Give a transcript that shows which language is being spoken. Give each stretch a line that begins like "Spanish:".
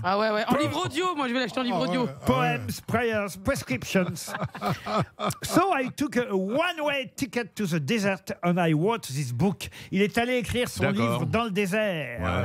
French: Ah ouais, en livre audio, moi je vais l'acheter en livre audio.
English: Poems, prayers, prescriptions. So I took a one-way ticket to the desert and I wrote this book.
French: Il est allé écrire son livre dans le désert.